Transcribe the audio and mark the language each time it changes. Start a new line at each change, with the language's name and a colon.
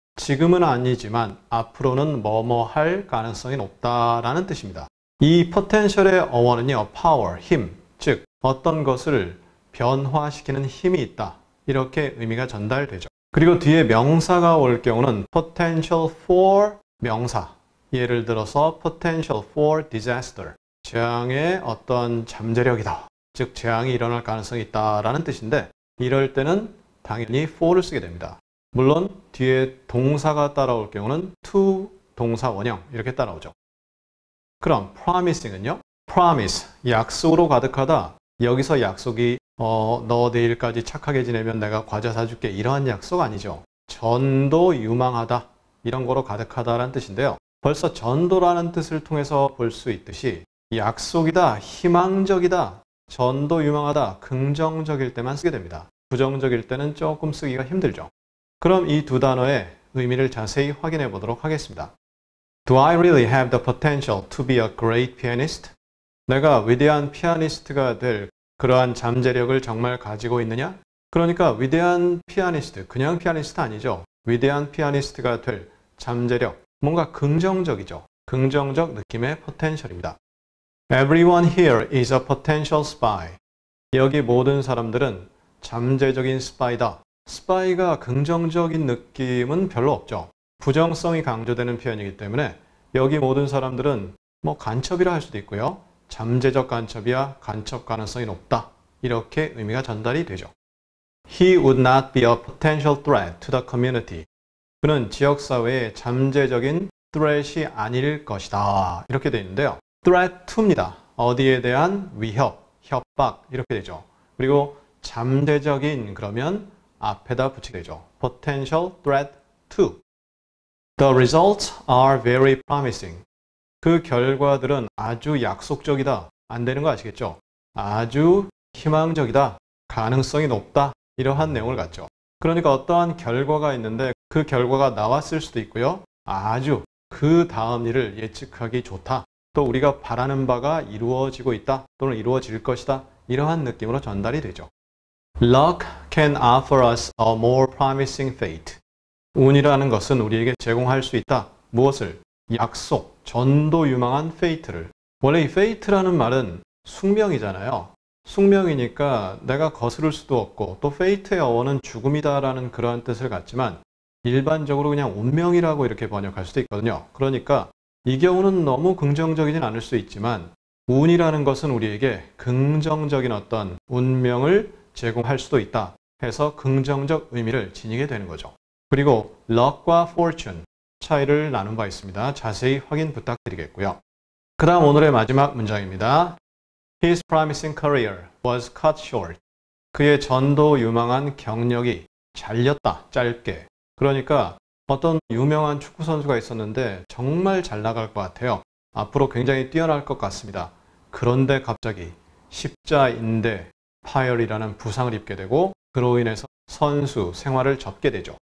Korean: 지금은 아니지만 앞으로는 뭐뭐 할 가능성이 높다라는 뜻입니다. 이 potential의 어원은요, power, 힘, 즉 어떤 것을 변화시키는 힘이 있다. 이렇게 의미가 전달되죠. 그리고 뒤에 명사가 올 경우는 potential for 명사. 예를 들어서
English: potential for disaster.
Korean: 재앙의 어떤 잠재력이다. 즉 재앙이 일어날 가능성이 있다라는 뜻인데 이럴 때는 당연히 for를 쓰게 됩니다. 물론 뒤에 동사가 따라올 경우는 to 동사 원형 이렇게 따라오죠. 그럼 promising은요? promise, 약속으로 가득하다. 여기서 약속이 너 내일까지 착하게 지내면 내가 과자 사줄게 이러한 약속 아니죠. 전도 유망하다 이런 거로 가득하다라는 뜻인데요. 벌써 전도라는 뜻을 통해서 볼 수 있듯이 약속이다, 희망적이다, 전도 유망하다, 긍정적일 때만 쓰게 됩니다. 부정적일 때는 조금 쓰기가 힘들죠. 그럼 이 두 단어의 의미를 자세히 확인해 보도록 하겠습니다.
English: Do I really have the potential to be a great pianist?
Korean: 내가 위대한 피아니스트가 될 그러한 잠재력을 정말 가지고 있느냐? 그러니까 위대한 피아니스트, 그냥 피아니스트 아니죠. 위대한 피아니스트가 될 잠재력, 뭔가 긍정적이죠. 긍정적 느낌의 포텐셜입니다.
English: Everyone here is a potential spy.
Korean: 여기 모든 사람들은 잠재적인 스파이다. 스파이가 긍정적인 느낌은 별로 없죠. 부정성이 강조되는 표현이기 때문에 여기 모든 사람들은 뭐 간첩이라 할 수도 있고요. 잠재적 간첩이야, 간첩 가능성이 높다. 이렇게 의미가 전달이 되죠.
English: He would not be a potential threat to the community.
Korean: 그는 지역사회에 잠재적인 threat이 아닐 것이다. 이렇게 되어 있는데요. threat to입니다. 어디에 대한 위협, 협박 이렇게 되죠. 그리고 잠재적인 그러면 앞에다 붙이게 되죠.
English: potential threat to. The results are very promising.
Korean: 그 결과들은 아주 약속적이다. 안 되는 거 아시겠죠? 아주 희망적이다. 가능성이 높다. 이러한 내용을 갖죠. 그러니까 어떠한 결과가 있는데 그 결과가 나왔을 수도 있고요. 아주 그 다음 일을 예측하기 좋다. 또 우리가 바라는 바가 이루어지고 있다. 또는 이루어질 것이다. 이러한 느낌으로 전달이 되죠.
English: Luck can offer us a more promising fate.
Korean: 운이라는 것은 우리에게 제공할 수 있다. 무엇을? 약속, 전도 유망한 페이트를. 원래 이 페이트라는 말은 숙명이잖아요. 숙명이니까 내가 거스를 수도 없고 또 페이트의 어원은 죽음이다라는 그러한 뜻을 갖지만 일반적으로 그냥 운명이라고 이렇게 번역할 수도 있거든요. 그러니까 이 경우는 너무 긍정적이진 않을 수 있지만 운이라는 것은 우리에게 긍정적인 어떤 운명을 제공할 수도 있다 해서 긍정적 의미를 지니게 되는 거죠. 그리고 luck과 fortune 차이를 나눈 바 있습니다. 자세히 확인 부탁드리겠고요. 그 다음 오늘의 마지막 문장입니다.
English: His promising career was cut short.
Korean: 그의 전도 유망한 경력이 잘렸다. 짧게. 그러니까 어떤 유명한 축구선수가 있었는데 정말 잘 나갈 것 같아요. 앞으로 굉장히 뛰어날 것 같습니다. 그런데 갑자기 십자인대 파열이라는 부상을 입게 되고 그로 인해서 선수 생활을 접게 되죠.